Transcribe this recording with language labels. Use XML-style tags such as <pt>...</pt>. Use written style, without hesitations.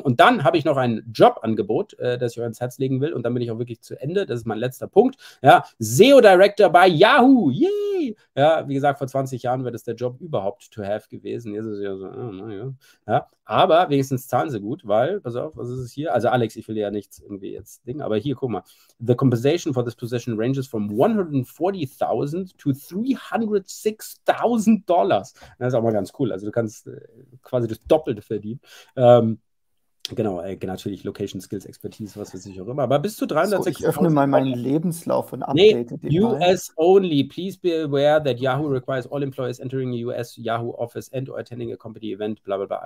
<de>Und dann habe ich noch ein Jobangebot, das ich euch ans Herz legen will und dann bin ich auch wirklich zu Ende. Das ist mein letzter Punkt. Ja, SEO Director bei Yahoo! Yay! Ja, wie gesagt, vor 20 Jahren wäre das der Job überhaupt</de> <en>to have</en> <de>gewesen. Jetzt ist es ja so, ja. Aber wenigstens zahlen sie gut, weil, pass auf, was ist es hier? Also Alex, ich will ja nichts irgendwie jetzt Ding, aber hier, guck mal.</de> <en>The compensation for this position ranges from $140,000 to $306,000.</en> <de>Das ist auch mal ganz cool. Also du kannst quasi das Doppelte verdienen. Genau, natürlich Location Skills Expertise, was weiß ich auch immer. Aber bis zu 360. So, ich öffne mal meinen Lebenslauf und update den.</de> <en>US mal. Only. Please be aware that Yahoo requires all employees entering a US Yahoo office and or attending a company event, bla bla bla.</en>